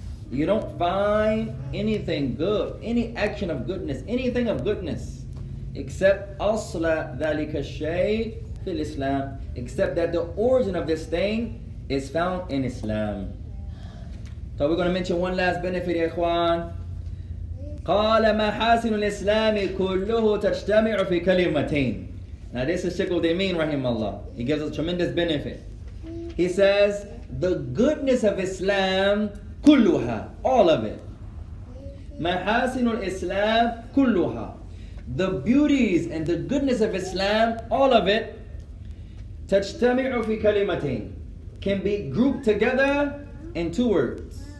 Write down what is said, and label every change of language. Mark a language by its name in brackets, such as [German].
[English] You don't find anything good, any action of goodness, anything of goodness, except [Arabic] أصل ذلك الشيء فِي الإسلام, [English] except that the origin of this thing is found in Islam. So we're going to mention one last benefit, إخوان. [Arabic] قال محاسن الإسلام كله تجتمع في كلمتين. [English] Now this is Sheikh Uthaymeen Rahimallah. He gives us tremendous benefit. He says, the goodness of Islam, kulluha, all of it. [Arabic] محاسن الإسلام كلها. [English] The beauties and the goodness of Islam, all of it, [Arabic] تجتمع في كلمتين, [English] can be grouped together in two words.